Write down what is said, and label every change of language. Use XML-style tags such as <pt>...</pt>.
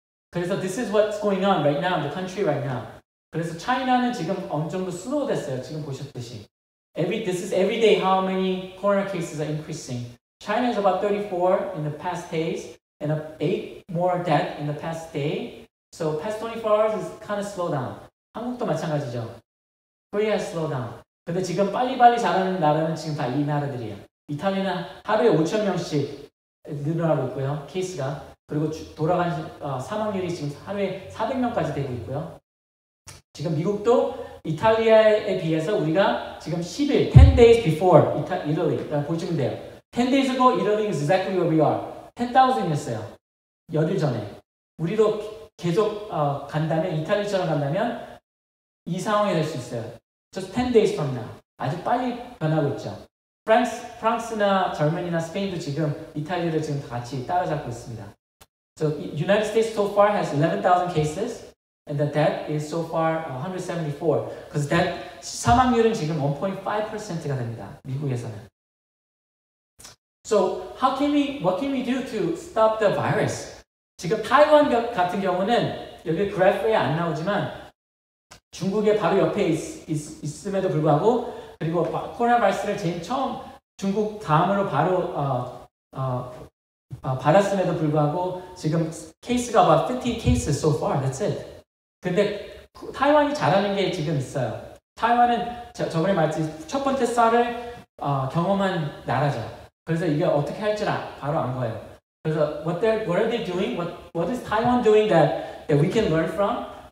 <en>그래서 this is what's going on right now in the country right now.</en> <ko>그래서 차이나는 지금 어느 정도 슬로우 됐어요, 지금 보셨듯이.</ko> <en>This is every day how many corona cases are increasing. China is about 34 in the past days and 8 more deaths in the past day. So past 24 hours is kind of slow down.</en> <ko>한국도 마찬가지죠.</ko> <en>Korea is slow down.</en> <ko>근데 지금 빨리 자라는 나라는 지금 다 이 나라들이에요. 이탈리아는 하루에 5천 명씩 늘어나고 있고요. 케이스가. 그리고 돌아간 사망률이 지금 하루에 400명까지 되고 있고요. 지금 미국도 이탈리아에 비해서 우리가 지금 10일,</ko> <en>10 days before Italy,</en> <ko>보시면 돼요.</ko> <en>10 days ago, Italy is exactly where we are.</en> <ko>10,000이었어요. 열흘 전에. 우리도 계속 간다면, 이탈리아처럼 간다면 이 상황이 될 수 있어요.</ko> <en>Just 10 days from now.</en> <ko>아주 빨리 변하고 있죠. 프랑스나 젤만이나 스페인도 지금 이탈리아를 지금 다 같이 따라잡고 있습니다.</ko> <en>So United States so far has 11,000 cases. And the death is so far 174. Because death</en> <ko>사망률은 지금 1.5%가 됩니다. 미국에서는.</ko> <en>So how can we, what can we do to stop the virus?</en> <ko>지금 타이완 같은 경우는 여기 그래프에 안 나오지만 중국의 바로 옆에 있음에도 불구하고 그리고 코로나 바이러스를 제일 처음 중국 다음으로 바로 받았음에도 불구하고 지금 케이스가</ko> <en>about 50 cases so far. That's it.</en> <ko>근데 타이완이 잘하는 게 지금 있어요. 타이완은 저번에 말했듯이 첫 번째 쌀을 경험한 나라죠. 그래서 이게 어떻게 할지는 바로 안 거예요.</ko> <en>그래서 what are they doing? What is Taiwan doing that we can learn from?</en>